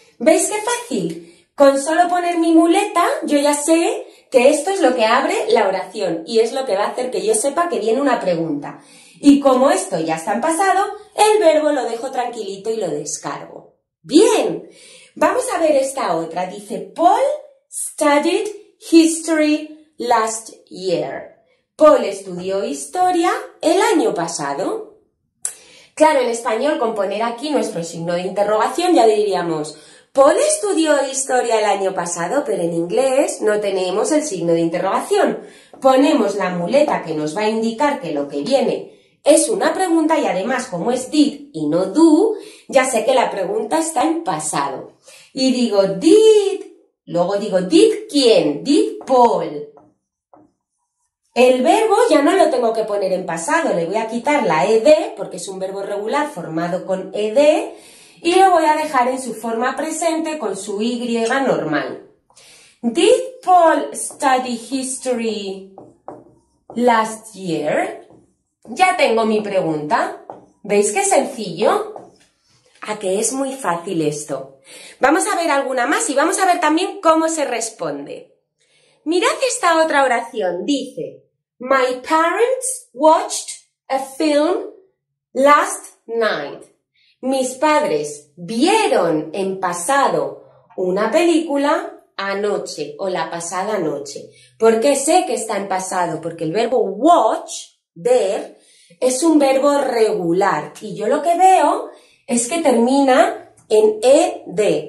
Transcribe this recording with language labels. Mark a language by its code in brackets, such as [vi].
[es] ¿Veis qué fácil? Con solo poner mi muleta, yo ya sé que esto es lo que abre la oración y es lo que va a hacer que yo sepa que viene una pregunta. Y como esto ya está en pasado, el verbo lo dejo tranquilito y lo descargo. ¡Bien! Vamos a ver esta otra. Dice, [en] Paul studied history last year. [es] Paul estudió historia el año pasado. Claro, en español, con poner aquí nuestro signo de interrogación, ya diríamos, Paul estudió historia el año pasado, pero en inglés no tenemos el signo de interrogación. Ponemos la muleta que nos va a indicar que lo que viene es una pregunta y además, como es did y no do, ya sé que la pregunta está en pasado. Y digo, did, luego digo, did quién, did Paul. El verbo ya no lo tengo que poner en pasado, le voy a quitar la ed, porque es un verbo regular formado con ed, y lo voy a dejar en su forma presente con su y normal. [en] Did Paul study history last year? [es] Ya tengo mi pregunta. ¿Veis qué sencillo? ¿A que es muy fácil esto? Vamos a ver alguna más y vamos a ver también cómo se responde. Mirad esta otra oración. Dice, [en] My parents watched a film last night. [es] Mis padres vieron en pasado una película anoche o la pasada noche. ¿Por qué sé que está en pasado? Porque el verbo watch, ver, es un verbo regular. Y yo lo que veo es que termina en ed.